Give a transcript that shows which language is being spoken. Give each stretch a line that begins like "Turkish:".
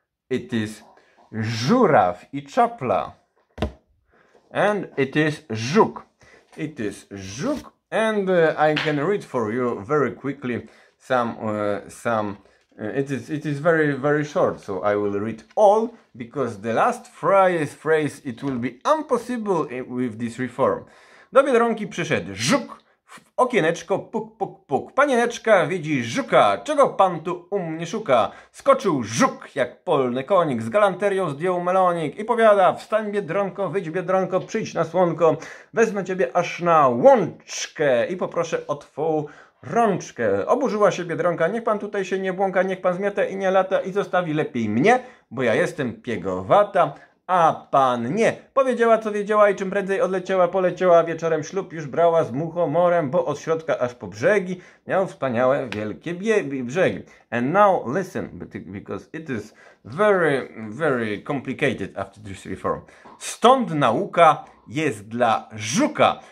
English: It is Żuraw i Czapla. And it is Żuk. It is Żuk. And I can read for you very quickly some. It is very, very short, so I will read all, because the last phrase, it will be impossible with this reform.
Polish: Do Biedronki przyszedł Żuk, w okieneczko puk, puk, puk. Panieneczka widzi Żuka, czego pan tu u mnie szuka? Skoczył Żuk jak polny konik, z galanterią zdjął melonik i powiada: wstań Biedronko, wyjdź Biedronko, przyjdź na słonko, wezmę ciebie aż na łączkę i poproszę o twoją rączkę. Oburzyła się Biedronka: niech pan tutaj się nie błąka, niech pan zmiata i nie lata i zostawi lepiej mnie, bo ja jestem piegowata, a pan nie. Powiedziała, co wiedziała i czym prędzej odleciała, poleciała wieczorem, ślub już brała z muchomorem, bo od środka aż po brzegi miał wspaniałe wielkie brzegi.
English: And now listen, because it is very, very complicated after this reform.
Polish: Stąd nauka jest dla Żuka.